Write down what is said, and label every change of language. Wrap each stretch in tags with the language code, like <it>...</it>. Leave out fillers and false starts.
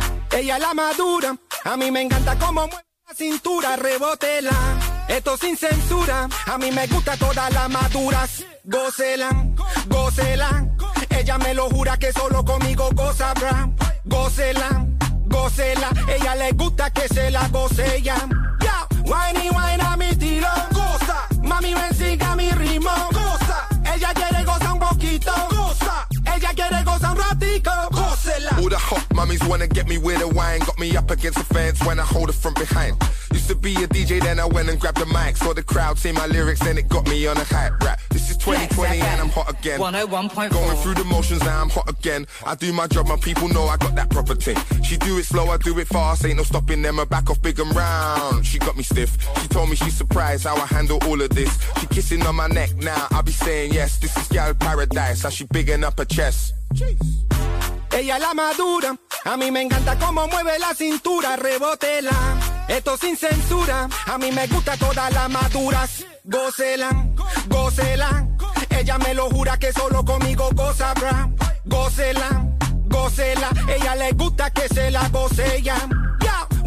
<es>Ella la madura, a mí me encanta cómo mueve la cintura, rebótela, esto sin censura, a mí me gusta todas las maduras, gócela, gócela, ella me lo jura que solo conmigo goza, bra, gócela, gócela, ella le gusta que se la goce ella, ya, yeah. Whiny, whiny a mi estilo, goza, mami ven siga mi ritmo, goza, ella quiere gozar un poquito, goza, ella quiere gozar un ratico.</es> <en>All the hot mummies wanna get me with a wine. Got me up against the fence when I hold it from behind. Used to be a DJ, then I went and grabbed the mic. Saw the crowd, see my lyrics, then it got me on a hype rap. This is 2020 and I'm hot again. 101.4. Going through the motions, now I'm hot again. I do my job, my people know I got that proper thing. She do it slow, I do it fast. Ain't no stopping them, I back off big and round. She got me stiff. She told me she's surprised how I handle all of this. She kissing on my neck now, I be saying yes. This is gal paradise, how she bigging up her chest. Jeez.</en> <es>Ella la madura, a mí me encanta cómo mueve la cintura, rebótela, esto sin censura, a mí me gusta todas las maduras, gócela, gócela, ella me lo jura que solo conmigo goza, bra, gócela, gócela, ella le gusta que se la goce ella, ya, yeah.</es>